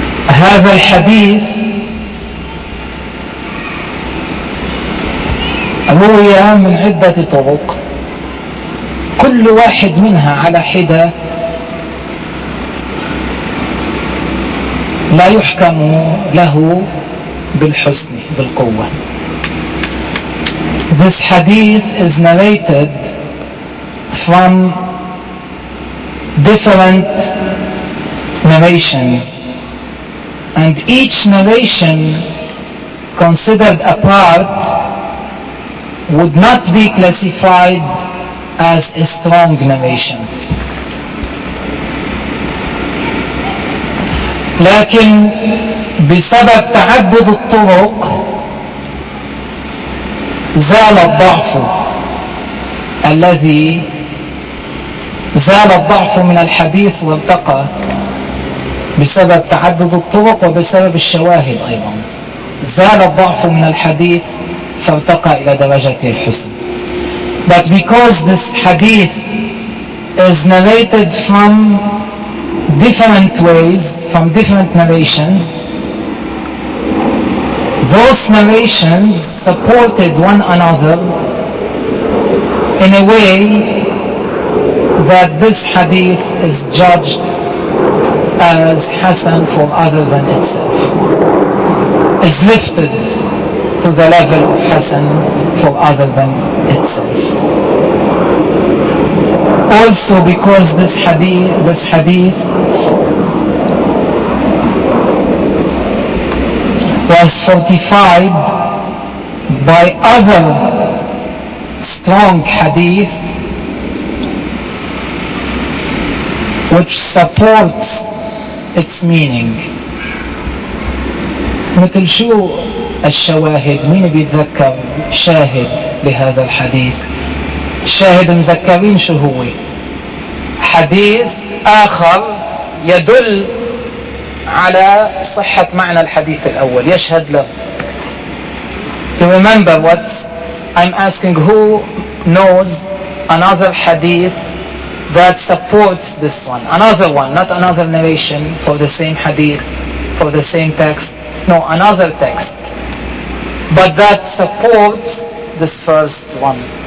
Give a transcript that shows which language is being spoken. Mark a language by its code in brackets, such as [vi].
[ar] هذا الحديث روية من عدة طرق، كل واحد منها على حدة لا يحكم له بالحسن بالقوة. [en] This hadith is narrated from different narrations and each narration considered a part would not be classified as a strong narration. [ar] لكن بسبب تعدد الطرق زال الضعف الذي زال الضعف من الحديث والتقى بسبب تعدد الطرق وبسبب الشواهد أيضا زال الضعف من الحديث فارتقى إلى درجة الحسن. [en] But because this hadith is narrated from different ways, from different narrations, those narrations supported one another in a way that this hadith is judged as hasan for other than itself, is lifted to the level of hasan for other than itself. Also because this hadith was certified by other strong hadith which supports its meaning. [ar] مثل شو الشواهد؟ مين بيتذكر شاهد لهذا الحديث؟ الشاهد مذكرين شو هو؟ حديث آخر يدل على صحة معنى الحديث الأول، يشهد له. [en] You remember what I'm asking, who knows another hadith that supports this one? Another one, not another narration for the same hadith, for the same text. No, another text. But that supports this first one.